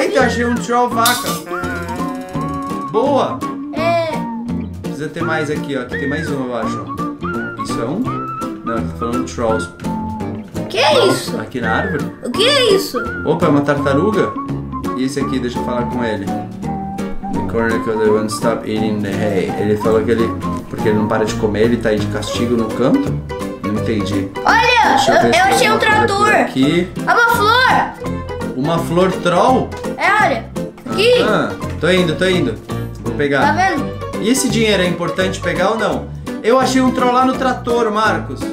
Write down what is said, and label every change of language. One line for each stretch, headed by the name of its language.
Portuguese: eita, achei um troll vaca. Boa. É. Precisa ter mais aqui, ó. Aqui tem mais um, eu acho. Isso é um? Não, tô falando trolls. O que é isso? Aqui na árvore. O que é isso? Opa, é uma tartaruga. E esse aqui, deixa eu falar com ele.
English: The corner because I won't stop eating the hay.
Portuguese: Ele falou que ele... porque ele não para de comer, ele tá aí de castigo no canto? Não entendi. Olha, eu achei um trator. Aqui. É uma flor. Uma flor troll? É, olha. Aqui. Ah, tô indo, tô indo. Vou pegar. Tá vendo? E esse dinheiro é importante pegar ou não? Eu achei um troll lá no trator, Marcos.